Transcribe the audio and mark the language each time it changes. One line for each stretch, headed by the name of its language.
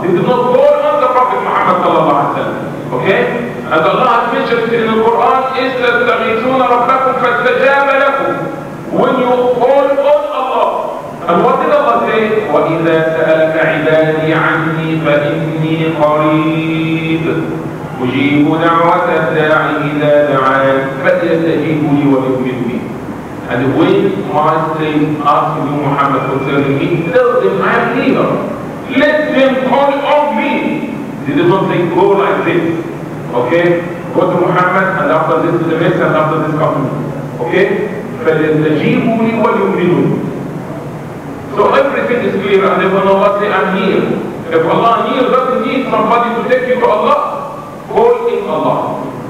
English: They did not call on the Prophet Muhammad sallallahu alaihi wasallam. Okay? And Allah has mentioned in the Quran,
Arabic: إِنْ تَسْتَغِيثُونَ رَبَّكُمْ فَاسْتَجَابَ لَكُمْ
English: When you call on Allah. And what did Allah say?
Arabic: وَإِذَا سَأَلْكَ عِبَادِي عَنِّي فَإِنِّي قَرِيبٌ أُجِيبُ دَعْوَةَ الدَّاعِ إِذَا دَعَانِ فَلْيَسْتَجِيبُوا لِي وَلْيُؤْمِنُوا بِي
English: And when my slave asked you, Muhammad, concerning me, tell them I am here. Let them call on me. They did not say, go like this. Okay? Go to Muhammad, and after this to the Messiah, and after this come to me. Okay?
Arabic: فَلَيْتَجِيبُوا لِي وَلْيُؤْمِنُوا
English: So everything is clear, and if Allah say, I'm here. If Allah here doesn't need somebody to take you to Allah, call in Allah.